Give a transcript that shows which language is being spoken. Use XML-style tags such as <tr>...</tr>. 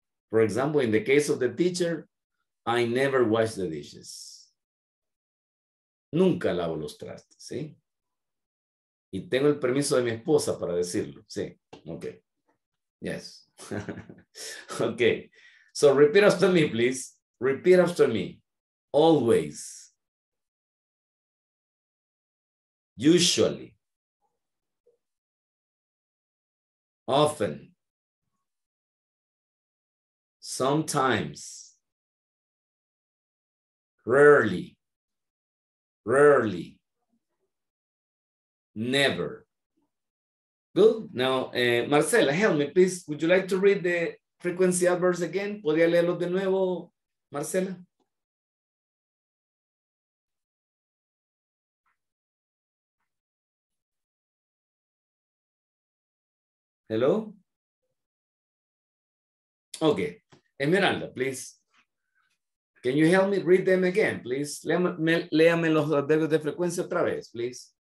<en>For example, in the case of the teacher, I never wash the dishes.</en> <es>Nunca lavo los trastes, ¿sí? Y tengo el permiso de mi esposa para decirlo, sí, ok.</es> <en>Yes. Okay. So repeat after me, please. Repeat after me. Always. Usually. Often. Sometimes. Rarely. Rarely. Never. Good. Now, Marcela, help me, please. Would you like to read the frequency adverbs again?</en> <es>¿Podría leerlo de nuevo, Marcela?</es> <en>Hello? Okay. Emeralda, please. Can you help me read them again, please?</en> <es>Léame los adverbios de frecuencia otra vez, please.</es>